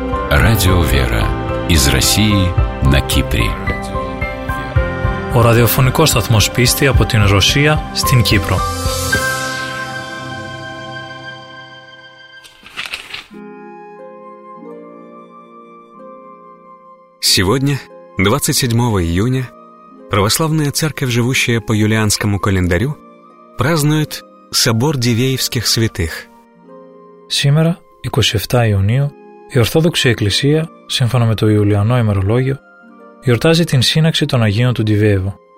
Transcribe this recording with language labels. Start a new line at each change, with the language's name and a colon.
Russian: Радио «Вера» из России на Кипре.
Greek: Ο ραδιοφωνικός σταθμός πίστη από την Ρωσία στην Κύπρο.
Russian: Сегодня, 27 июня, Православная Церковь, живущая по юлианскому календарю, празднует Собор Дивеевских святых. Сегодня, 27 июня,
Greek: η Ορθόδοξη Εκκλησία, σύμφωνα με το Ιουλιανό ημερολόγιο, γιορτάζει την σύναξη των Αγίων του Ντιβέεβου.